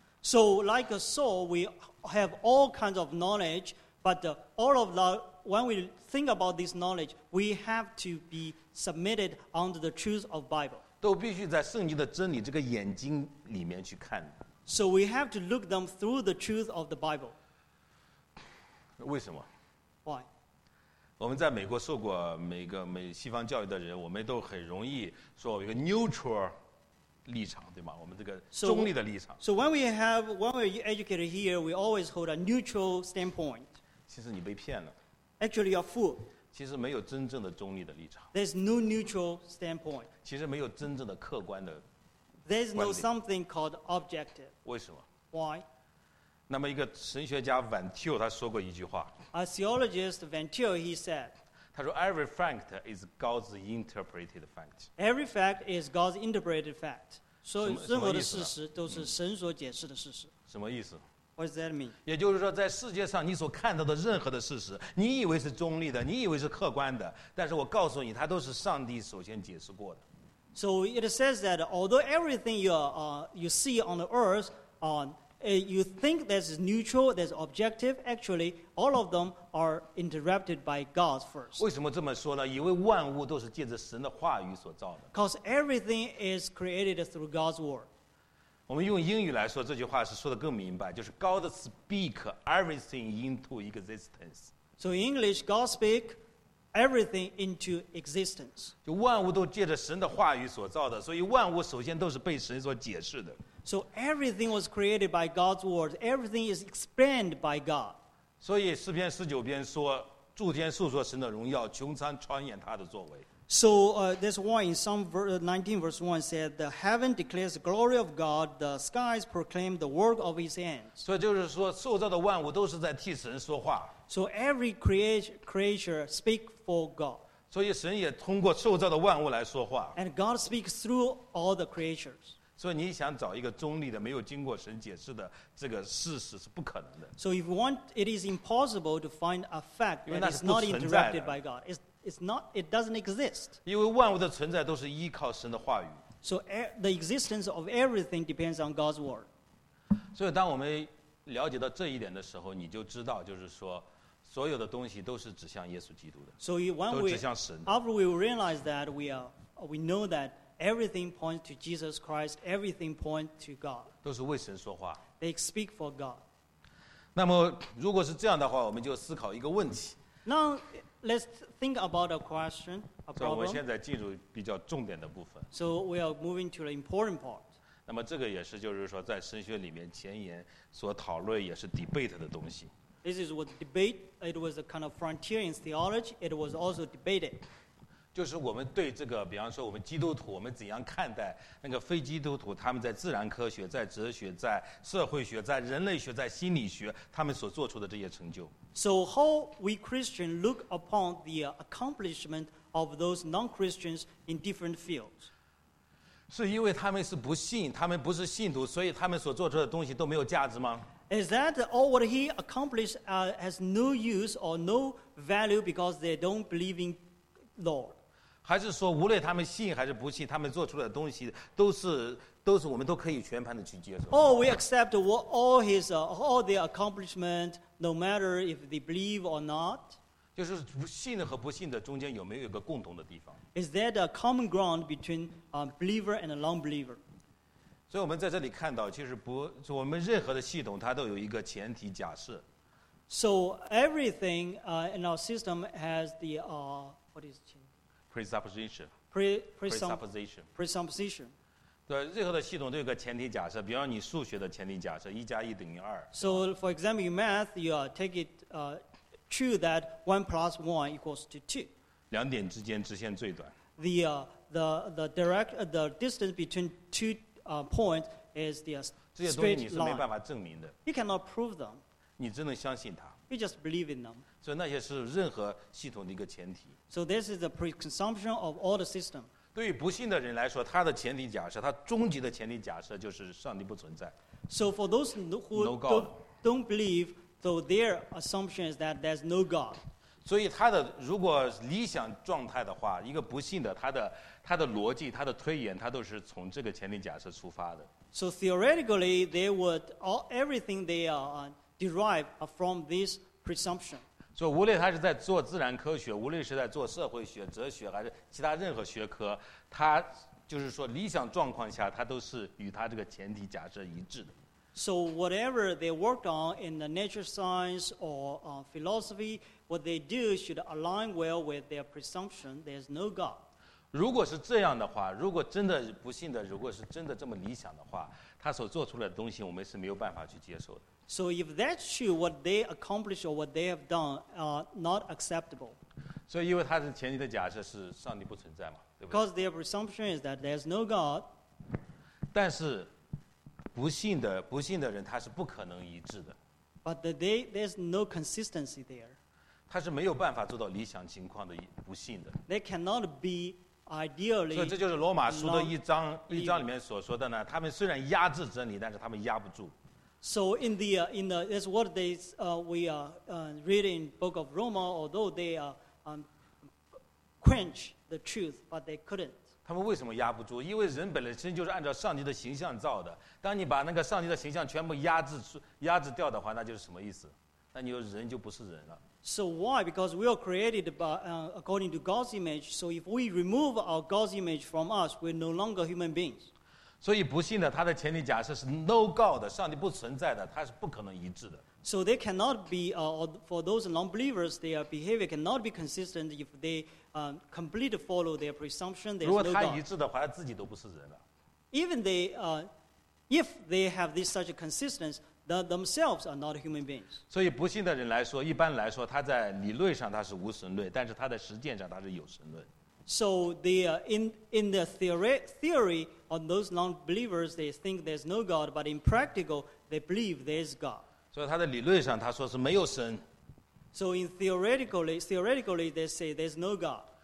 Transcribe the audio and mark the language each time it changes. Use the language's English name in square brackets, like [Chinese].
[English] So like a soul, we have all kinds of knowledge, but all of the when we think about this knowledge, we have to be submitted under the truth of Bible. [Chinese] 都必须在圣经的真理这个眼睛里面去看。 [English] So we have to look them through the truth of the Bible. [Chinese] 为什么？ [English] Why? [Chinese] 我们在美国受过每西方教育的人，我们都很容易说一个 neutral 立场，对吗？我们这个中立的立场。 [English] So when we educated here, we always hold a neutral standpoint. [Chinese] 其实你被骗了。 [English] Actually, you're fool. [Chinese] 其实没有真正的中立的立场。 [English] There's no neutral standpoint. [Chinese] 其实没有真正的客观的。 [English] There's no something called objective. [Chinese] 为什么 [English] ？Why? [Chinese] 那么一个神学家 Van Til 他说过一句话。 [English] A theologist Van Til he said. [Chinese] 他说 [English] Every fact is God's interpreted fact. Every fact is God's interpreted fact. [Chinese] 所以任何的事实都是神所解释的事实。什么意思？ [English] What does that mean? [Chinese] 也就是说在世界上你所看到的任何的事实你以为是中立的你以为是客观的但是我告诉你它都是上帝首先解释过的。 [English] So it says that although everything you see on the earth, you think that's neutral, that's objective, actually all of them are interrupted by God first. [Chinese] 为什么这么说呢因为万物都是借着神的话语所造的。 [English] Because everything is created through God's word. [Chinese] 我们用英语来说这句话是说得更明白就是 [English] God speak everything into existence. So in English, God speak everything into existence. [Chinese] 就万物都借着神的话语所造的所以万物首先都是被神所解释的。 [English] So everything was created by God's word. Everything is explained by God. [Chinese] 所以诗篇十九篇说诸天述说神的荣耀穹苍传言他的作为。 [English] So this one in Psalm 19 verse 1 said, The heaven declares the glory of God, the skies proclaim the work of his hands. [Chinese] 所以就是说受造的万物都是在替神说话。 [English] So every creature speak for God. [Chinese] 所以神也通过受造的万物来说话。 [English] And God speaks through all the creatures. [Chinese] 所以你想找一个中立的没有经过神解释的这个事实是不可能的。 [English] So if you want, it is impossible to find a fact that is not interrupted by God. It doesn't exist. [Chinese] 因为万物的存在都是依靠神的话语。 [English] So the existence of everything depends on God's word. [Chinese] 所以当我们了解到这一点的时候，你就知道，就是说，所有的东西都是指向耶稣基督的。 [English] So when we [Chinese] 都指向神。 [English] After we realize that we know that everything points to Jesus Christ, everything points to God. [Chinese] 都是为神说话。 [English] They speak for God. [Chinese] 那么如果是这样的话，我们就思考一个问题。 [English] Now Let's think about a question, a problem. [Chinese] 我们现在进入比较重点的部分。 [English] So we are moving to the important part. [Chinese] 那么这个也是就是说在神学里面前沿所讨论也是 debate 的东西。 [English] This is what debate, it was a kind of frontier in theology, it was also debated. [Chinese] 就是我们对这个比方说我们基督徒我们怎样看待那个非基督徒他们在自然科学在哲学在社会学在人类学在心理学他们所做出的这些成就。 [English] So how we Christians look upon the accomplishment of those non-Christians in different fields? [Chinese] 是因为他们是不信他们不是信徒所以他们所做出的东西都没有价值吗？ [English] Is that all what he accomplished has no use or no value because they don't believe in Lord? [Chinese] 还是说无论他们信还是不信他们做出的东西都是我们都可以全盘的去接受。 [English] Oh, we accept what all his all their accomplishment, no matter if they believe or not. [Chinese] 就是信和不信的中间有没有一个共同的地方 [English] ？Is there a common ground between a believer and a non-believer? [Chinese] 所以我们在这里看到，其实不，我们任何的系统它都有一个前提假设。 [English] So everything in our system has the what is it? Presupposition. Presupposition. Presupposition. [Chinese] 对任何的系统都有个前提假设比方你数学的前提假设一加一等于二 [English] So for example in math you take it true that 1 + 1 = 2 [Chinese] 两点之间直线最短 [English] the distance between two points is the straight line [Chinese] 这些东西你是没办法证明的 [English] You cannot prove them [Chinese] 你只能相信它 [English] You just believe in them [Chinese] 所以那些是任何系统的一个前提 [English] So this is the presumption of all the system [Chinese] 对于不信的人来说他的前提假设他终极的前提假设就是上帝不存在 [English] So for those who don't believe though their assumption is that there's no God [Chinese] 所以他的如果理想状态的话一个不信的他的逻辑他的推演他都是从这个前提假设出发的 [English] So theoretically they would all everything they are derived from this presumption [Chinese] 所以无论他是在做自然科学无论是在做社会学哲学还是其他任何学科他就是说理想状况下他都是与他这个前提假设一致的 [English] So whatever they worked on in the natural science or philosophy what they do should align well with their presumption there's no God [Chinese] 如果是这样的话如果真的不信的如果是真的这么理想的话他所做出来的东西我们是没有办法去接受的 [English] So if that's true, what they accomplish or what they have done are not acceptable. So because their assumption is that there is no God. Because their presumption is that there is no God. [Chinese] 但是不信的人他是不可能一致的。 [English] But there's no consistency there. [Chinese] 他是没有办法做到理想情况的不信的。 [English] They cannot be ideally. [Chinese] 所以这就是罗马书的一章里面所说的呢，他们虽然压制真理，但是他们压不住。 [English] So in the that's what they we are reading book of Roma, although they are quench the truth, but they couldn't. [Chinese] 他们为什么压不住？因为人本身就是按照上帝的形象造的。当你把那个上帝的形象全部压制掉的话，那就是什么意思？那你说人就不是人了。 [English] So why? Because we are created according to God's image. So if we remove our God's image from us, we're no longer human beings. [Chinese] 所以不信的，他的前提假设是 [English] no God, [Chinese] 上帝不存在的，他是不可能一致的。 [English] So they cannot be for those non-believers, their behavior cannot be consistent if they completely follow their presumption. There's no God. [Chinese] 如果他一致的话，他自己都不是人了。 [English] Even they, if they have this such a consistency. Themselves are not human beings. [Chinese] 所以不信的人来说，一般来说，他在理论上他是无神论，但是他在实践上他是有神论。 [English] So the in the theory on those non-believers, they think there's no God, but in practical, they believe there's God. [Chinese] 所以他的理论上他说是没有神。 [English] So in theoretically, they say there's no God.